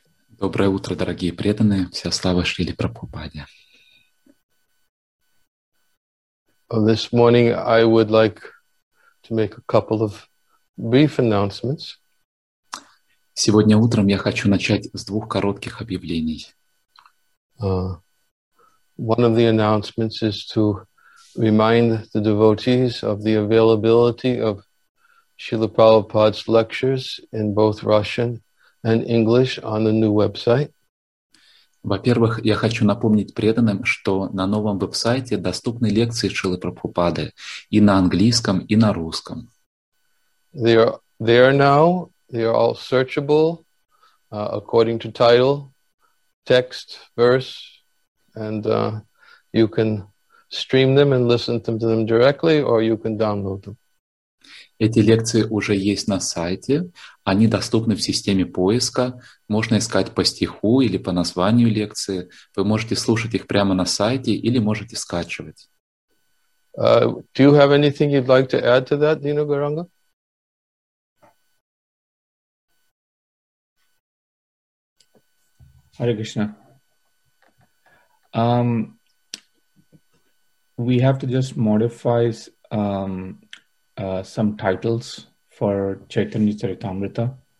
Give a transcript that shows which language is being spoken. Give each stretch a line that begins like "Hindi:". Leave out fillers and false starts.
Russian: Доброе утро, дорогие преданные. Вся слава Шриле Прабхупаде.
English: This morning I would like to make a couple of brief announcements.
Russian: Сегодня утром я хочу начать с двух коротких объявлений.
English: One of the announcements is to remind the devotees of the availability of Srila Prabhupada's lectures in both Russian and English on the new website.
Russian: Во-первых, я хочу напомнить преданным, что на новом веб-сайте доступны лекции Шрилы Прабхупады и на английском, и на русском.
English: They are there now. They are all searchable according to title, text, verse, and you can stream them and listen to them directly, or you can download them.
Russian: Эти лекции уже есть на сайте, они доступны в системе поиска, можно искать по стиху или по названию лекции, вы можете слушать их прямо на сайте или можете скачивать.
English: Do you have anything you'd like to add to that, Dino Gauranga? Hare Krishna. We have to just modify some titles for Chaitanya Charitamrita.